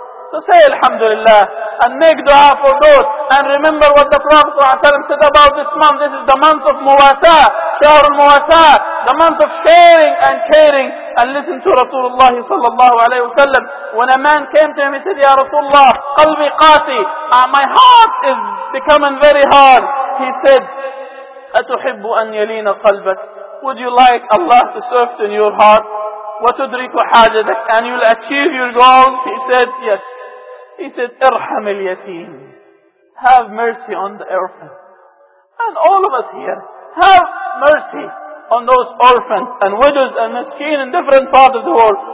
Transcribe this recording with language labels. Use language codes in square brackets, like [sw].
[en] So say Alhamdulillah and make dua for those. And remember what the Prophet ﷺ said about this month. This is the month of Muwasa, Shahr al-Muwasa, the month of sharing and caring. And listen to Rasulullah sallallahu alayhi wa sallam. When a man came to him, he said, [ar] Ya Rasulullah, qalbi qasi, [en] my heart is becoming very hard. [ar] He said, أَتُحِبُّ أَن يَلِينَ قَلْبَكَ. [en] Would you like Allah to serve in your heart? [ar] وَتُدْرِكُ حَاجَتَكَ. [en] And you'll achieve your goal? He said, yes. He said, [ar] ارحم اليتيم. [en] Have mercy on the orphan. And all of us here, have mercy on those orphans and widows and miskeen in different parts of the world.